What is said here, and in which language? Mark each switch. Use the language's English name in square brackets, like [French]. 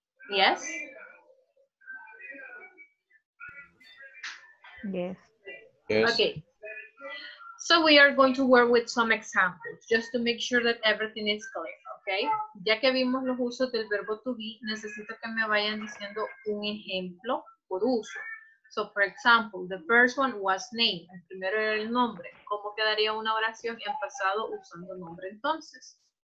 [English] Yes? Yes. Okay. So we are going to work with some examples, just to make sure that everything is clear, okay? [Spanish] Ya que vimos los usos del verbo to be, necesito que me vayan diciendo un ejemplo por uso. [English] So, for example, the first one was name. [Spanish] El primero era el nombre. ¿Cómo quedaría una oración en pasado usando el nombre entonces?